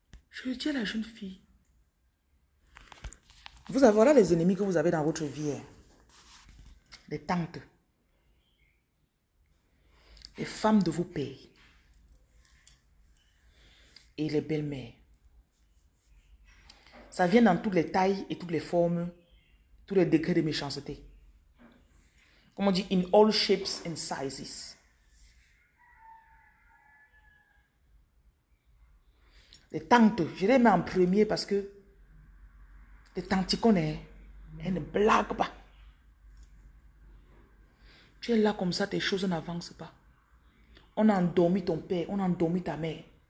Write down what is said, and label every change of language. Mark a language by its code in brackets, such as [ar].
[fr] Je lui dis à la jeune fille, vous avez voilà les ennemis que vous avez dans votre vie, les tantes, les femmes de vos pères et les belles-mères. Ça vient dans toutes les tailles et toutes les formes, tous les degrés de méchanceté. Comme on dit, [en] in all shapes and sizes. [fr] Les tantes, je les mets en premier parce que les tantes, tu connais, elles ne blaguent pas. Tu es là comme ça, tes choses n'avancent pas. On a endormi ton père, on a endormi ta mère.